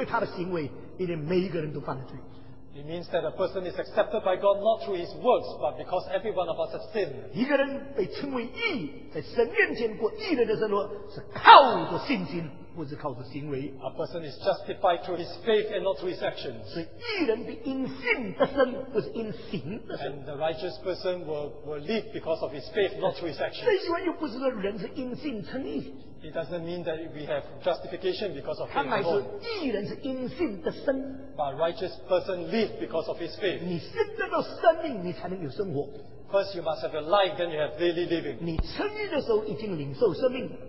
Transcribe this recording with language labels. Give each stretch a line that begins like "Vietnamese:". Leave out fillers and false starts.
Chinese: 也就是一个人活在世界上能够被神所接受，不是因为他的行为，因为每一个人都犯了罪。
English: It means that a person is accepted by God not through his works, but because every one of us has sinned.
Chinese: 一个人被称为义，在神面前过义人的生活，是靠着信心。
English: A person is justified through his faith and not through his actions.
Chinese: 所以义人必因信得生，不是因行得生。
English: And the righteous person will live because of his faith, not through his actions.
Chinese: 这句话又不是说人是因信称义。
English: It doesn't mean that we have justification because of faith.
Chinese: 看来是义人是因信得生。
English: But righteous person live because of his faith.
Chinese: 你信得到生命，你才能有生活。
English: First you must have your life, then you have daily living.
Chinese: 你称义的时候已经领受生命。